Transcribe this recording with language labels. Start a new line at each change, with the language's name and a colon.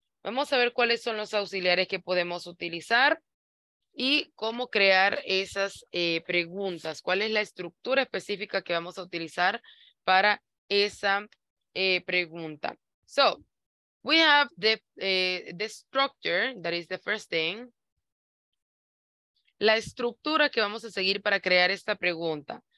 Spanish: Vamos a ver cuáles son los auxiliares que podemos utilizar. Y cómo crear esas preguntas. ¿Cuál es la estructura específica que vamos a utilizar para esa pregunta?
English: So, we have the structure, that is the first thing.
Spanish: la estructura que vamos a seguir para crear esta pregunta.